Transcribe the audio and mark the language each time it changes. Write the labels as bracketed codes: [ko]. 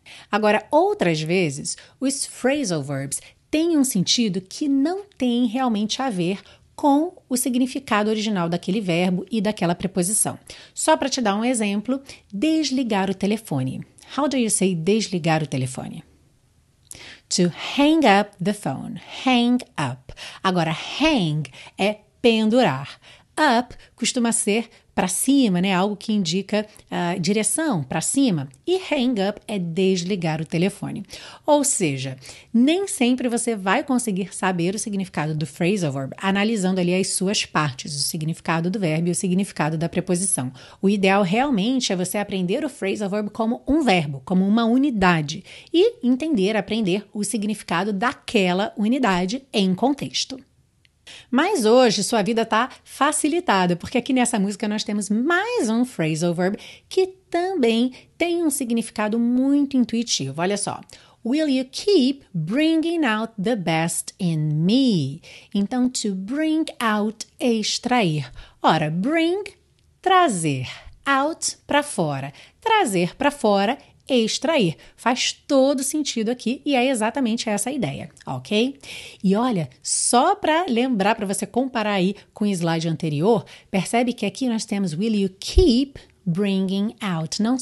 [pt] Agora, outras vezes, os phrasal verbs têm um sentido que não tem realmente a ver com o significado original daquele verbo e daquela preposição. Só para te dar um exemplo, desligar o telefone. [en] How do you say [pt] desligar o telefone? [en] To hang up the phone, hang up. [pt] Agora, hang é pendurar. Up costuma ser para cima, né? Algo que indica direção, para cima. E hang up é desligar o telefone. Ou seja, nem sempre você vai conseguir saber o significado do phrasal verb analisando ali as suas partes, o significado do verbo e o significado da preposição. O ideal realmente é você aprender o phrasal verb como um verbo, como uma unidade, e entender, aprender o significado daquela unidade em contexto. Mas hoje sua vida está facilitada, porque aqui nessa música nós temos mais um phrasal verb que também tem um significado muito intuitivo. Olha só. [en] Will you keep bringing out the best in me? [pt] Então, to bring out é extrair. Ora, bring, trazer. Out, para fora. Trazer para fora, extrair. Faz todo sentido aqui e é exatamente essa a ideia, ok? E olha, só para lembrar, para você comparar aí com o slide anterior, percebe que aqui nós temos [en] will you keep bringing out.